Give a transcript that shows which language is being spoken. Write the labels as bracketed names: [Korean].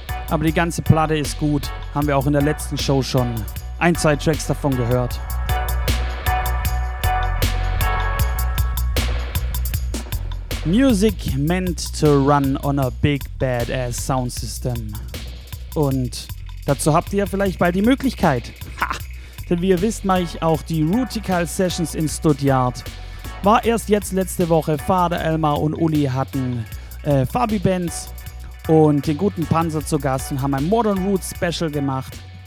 [German] Aber die ganze Platte ist gut. Haben wir auch in der letzten Show schon ein, zwei Tracks davon gehört. [English] Music meant to run on a big badass sound system. [German] Und dazu habt ihr vielleicht bald die Möglichkeit. Ha! Denn wie ihr wisst, mache ich auch die Rootikal Sessions in Stuttgart. War erst jetzt letzte Woche, Vater Elmar und Uli hatten Fabi Benz und den guten Panzer zu Gast und haben ein Modern Roots Special gemacht.